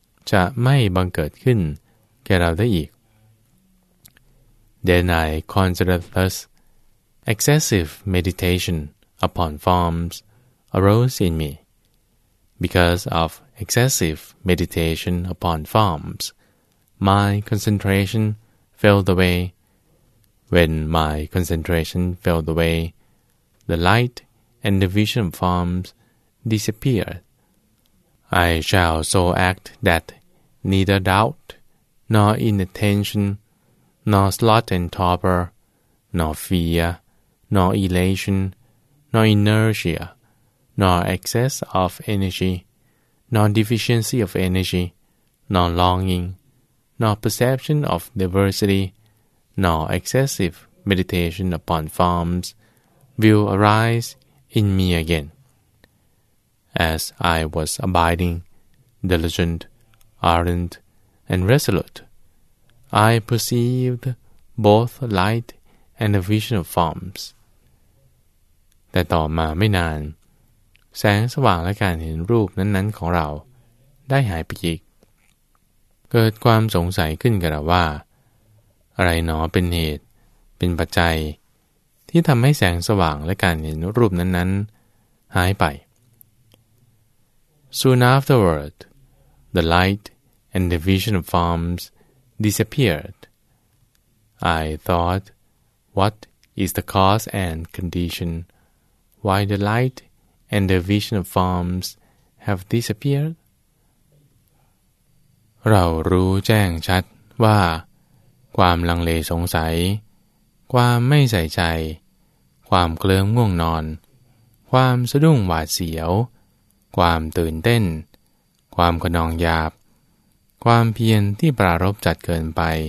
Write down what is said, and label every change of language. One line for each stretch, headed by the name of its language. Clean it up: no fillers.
Thai: จะไม่บังเกิดขึ้นแก่เราได้อีก
English: Then I considered thus, excessive meditation upon forms arose in me, because of excessive meditation upon forms, my concentration fell away. When my concentration fell away, the light and the vision of forms disappeared. I shall so act that neither doubt, nor inattention, nor sloth and torpor, nor fear, nor elation, nor inertia, nor excess of energy, nor deficiency of energy, nor longing, nor perception of diversity, nor excessive meditation upon forms will arise in me again. As I was abiding, diligent, ardent, and resolute, I perceived both light and a vision of forms.
Thai: แต่ต่อมาไม่นานแสงสว่างและการเห็นรูปนั้นๆของเราได้หายไปอีกเกิดความสงสัยขึ้นกับเราว่าอะไรหนอเป็นเหตุเป็นปัจจัยที่ทำให้แสงสว่างและการเห็นรูปนั้นๆหายไป
English: Soon afterward, the light and the vision of forms disappeared. I thought, what is the cause and condition why the light and the vision of forms have disappeared?
Thai: เรารู้แจ้งชัดว่าความลังเลสงสัยความไม่ใส่ใจความเคลิ้มง่วงนอนความสะดุ้งหวาดเสียวความตื่นเต้นความขนองหยาบความเพียรที่ปรารภจัดเกินไป